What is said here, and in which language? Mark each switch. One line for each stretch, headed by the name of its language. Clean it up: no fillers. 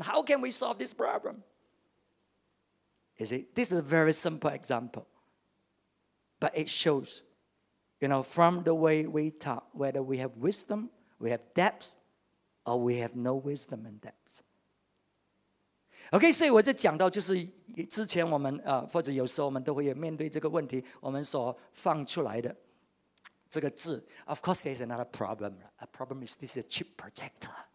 English: How can we solve this problem? You see, this is a very simple example. But it shows, you know, from the way we talk, whether we have wisdom, we have depth, or we have no wisdom and depth.
Chinese: OK, 所以我就讲到就是之前我们或者有时候我们都会面对这个问题我们所放出来的这个字.
English: Of course, there's another problem. A problem is this is a cheap projector.